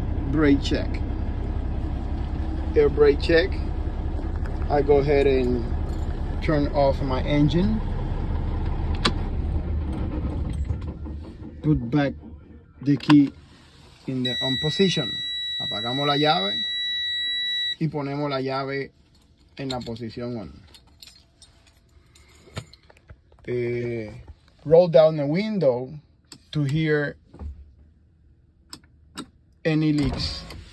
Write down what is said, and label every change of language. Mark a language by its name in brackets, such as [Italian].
[English] Brake check. Air brake check. I go ahead and turn off my engine. Put back the key in the on position. [Spanish] Apagamos la llave y ponemos la llave en la posición on. [English] Roll down the window to hear any leaks.